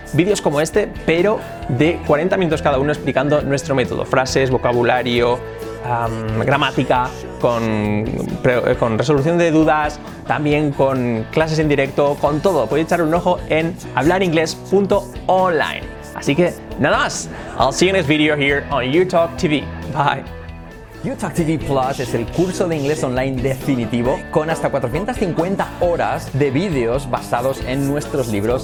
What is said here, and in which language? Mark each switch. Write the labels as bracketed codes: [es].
[es] Vídeos como este, pero de 40 minutos cada uno explicando nuestro método. Frases, vocabulario, gramática, con resolución de dudas, también con clases en directo, con todo. Podéis echar un ojo en hablaringles.online. Así que, nada más. [en] I'll see you in this video here on YouTalk TV. Bye. [es] YouTalk TV Plus es el curso de inglés online definitivo con hasta 450 horas de vídeos basados en nuestros libros.